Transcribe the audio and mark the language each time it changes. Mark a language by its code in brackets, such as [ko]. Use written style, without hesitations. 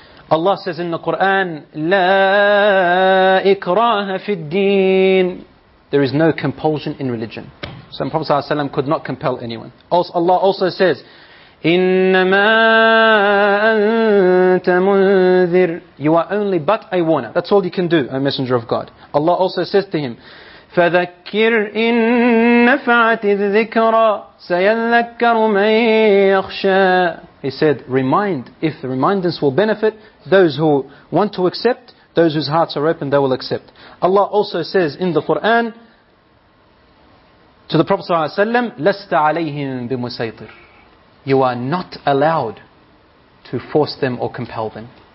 [en] Allah says in the Quran, [ar] La ikraha fi al-deen. [en] There is no compulsion in religion. So the Prophet ﷺ could not compel anyone. Also, Allah also says, [ar] إِنَّمَا أَنْتَ مُنذِرٌ. [en] You are only but a warner. That's all you can do, a messenger of God. Allah also says to him, [ar] فَذَكِّرْ إِن نَفَعَتِ الذِّكْرَى سَيَذَّكَّرُ مَن يَخْشَى. [en] He said, remind, if the remindrance will benefit those who want to accept, those whose hearts are open, they will accept. Allah also says in the Quran to the Prophet sallallahu alaihi wasallam, [ar] "Lasta alayhim bimusaytir." [en] You are not allowed to force them or compel them.